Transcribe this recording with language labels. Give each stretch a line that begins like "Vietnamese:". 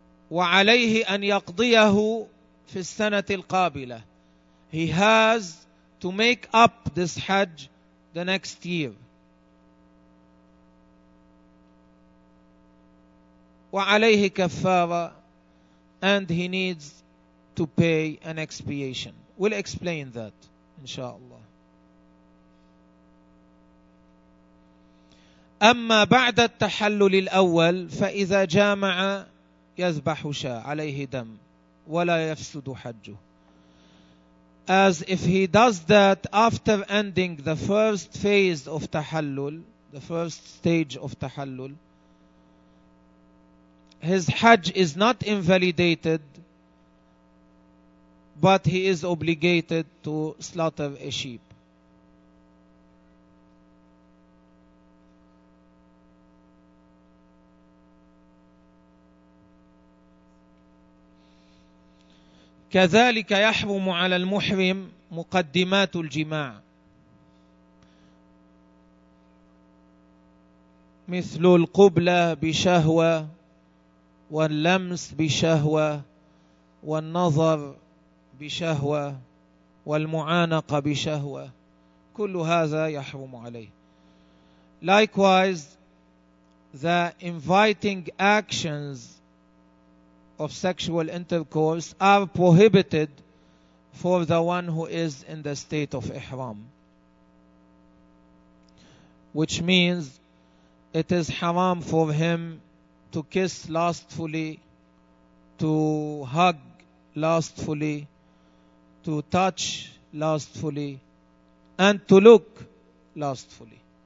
Arabic: وعليه أن يقضيه في السنة القابلة.
English: He has to make up this Hajj the next year.
Arabic: وعليه كفارة,
English: and he needs to pay an expiation. We'll explain that, inshallah.
Arabic: أما بعد التحلل الأول فإذا جامع يذبح شاة عليه دم ولا يفسد حجه.
English: As if he does that after ending the first phase of tahallul, the first stage of tahallul, his Hajj is not invalidated, but he is obligated to slaughter a sheep.
Arabic: كذلك يحرم على المحرم مقدمات الجماع مثل القبلة بشهوة واللمس بشهوة والنظر بشهوة والمعانقة بشهوة, كل هذا يحرم عليه.
English: Likewise, the inviting actions of sexual intercourse are prohibited for the one who is in the state of ihram, which means it is haram for him to kiss lustfully, to hug lustfully, to touch lustfully, and to look lustfully.